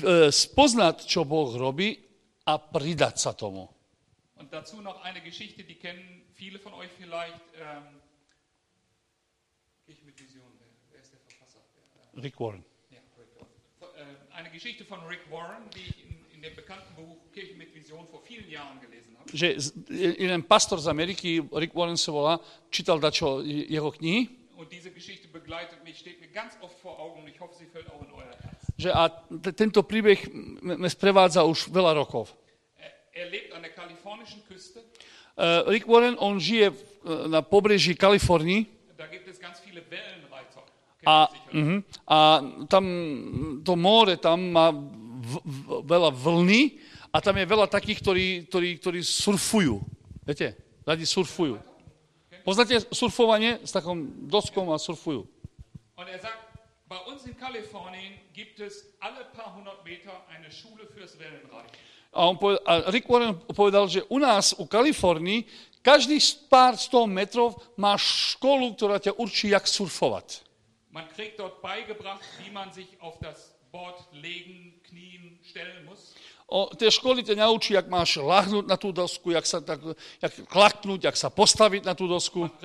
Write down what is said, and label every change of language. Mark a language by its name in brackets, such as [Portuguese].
[Slovak] Spoznať, čo Boh robí, a pridať sa tomu. [German] Und dazu noch eine Geschichte, die kennen viele von euch vielleicht. Ich mit Vision, wer ist der Verfasser? Rick Warren. Ja, Rick Warren. Eine Geschichte von Rick Warren, die ich in dem bekannten Buch Kirche mit Vision vor vielen Jahren gelesen habe. [Slovak] Že jeden pastor z Ameriky, Rick Warren se volá, čítal dačo jeho knihy. [German] Und diese Geschichte begleitet mich, steht mir ganz oft vor Augen und ich hoffe, sie fällt auch in euer Herz. [Slovak] Že a tento príbeh me sprevádza už veľa rokov. [German] Er lebt an der kalifornischen Küste. [Slovak] Rick Warren, on žije na pobreží Kalifornii. [German] Da gibt es ganz viele Wellenreiter. [Slovak] A tam to more, tam má veľa vlny a tam je veľa takých, ktorí surfujú. Viete? Radi surfujú. Poznáte surfovanie s takom doskom a surfujú. [German] Und er sagt, bei uns in Kalifornien gibt es alle paar hundert Meter eine Schule fürs Wellenreiten. [Slovak] A Rick Warren povedal, že u nás, u Kalifornii, každý pár 100 metrov má školu, ktorá ťa určí, jak surfovať. [German] Man kriegt dort beigebracht, wie man sich auf das Board legen, knien, stellen muss. [Slovak] Tie školy ťa naučí, jak máš lahnúť na tú dosku, jak klaknúť, jak sa postaviť na tú dosku.